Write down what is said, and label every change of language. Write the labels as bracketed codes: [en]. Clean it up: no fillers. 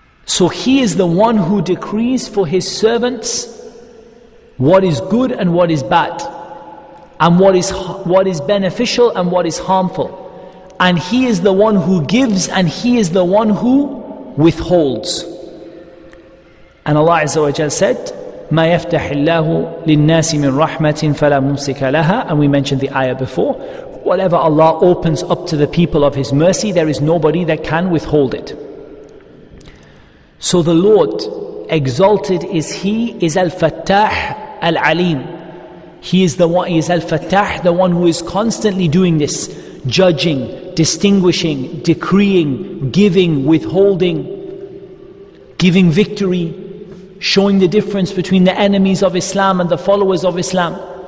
[en] So He is the one who decrees for His servants what is good and what is bad, and what is beneficial and what is harmful. And He is the one who gives, and He is the one who withholds. And Allah Azza wa Jal said, [ar] مَا يَفْتَحِ اللَّهُ لِلنَّاسِ مِنْ رَحْمَةٍ فَلَا مُمْسِكَ لَهَا. [en] And we mentioned the ayah before. Whatever Allah opens up to the people of His mercy, there is nobody that can withhold it. So the Lord, exalted is He, is Al-Fattah Al-Alim. He is the one, He is Al-Fattah, the one who is constantly doing this, judging, distinguishing, decreeing, giving, withholding, giving victory, showing the difference between the enemies of Islam and the followers of Islam.